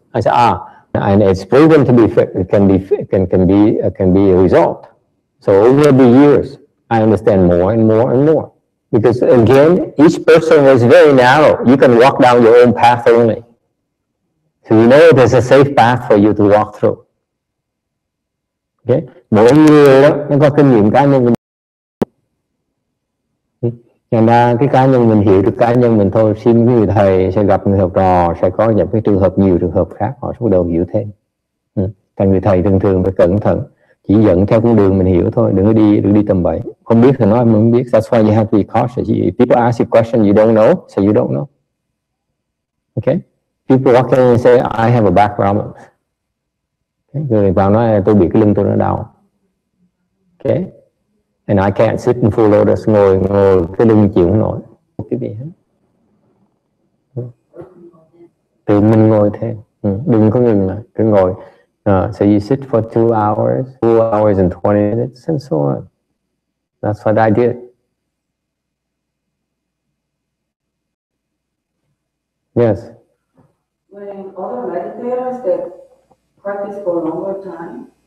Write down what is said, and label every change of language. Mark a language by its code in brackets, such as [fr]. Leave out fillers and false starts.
[en] I say and it's proven to be fit. It can be a result. So over the years, I understand more and more and more. Because again, each person is very narrow. You can walk down your own path only. So you know there's a safe path for you to walk through. Okay. [vi] Mỗi người nó có kinh nghiệm cá nhân. Thành ra cái cá nhân mình hiểu được cá nhân mình thôi, xin quý vị thầy sẽ gặp người học trò, sẽ có những cái trường hợp nhiều trường hợp khác, họ sẽ bắt đầu hiểu thêm. Thành người thầy thường thường phải cẩn thận, chỉ dẫn theo con đường mình hiểu thôi, đừng đi tầm bậy. Không biết thì nói, mình không biết. [en] That's why you have to be cautious. If people ask you questions you don't know, so you don't know. Okay? People walk in and say, I have a back problem. Okay? [vi] Người vào nói, tôi bị cái lưng tôi nó đau. Okay? [en] And I can't sit in full lotus, [vi] ngồi cái lưng chịu không nổi. Cái gì hết. Thì mình ngồi thêm. Đừng có ngừng lại, cứ ngồi. [en] So you sit for 2 hours, 2 hours and 20 minutes and so on. That's what I did. Yes. When other meditators that practice for a longer time,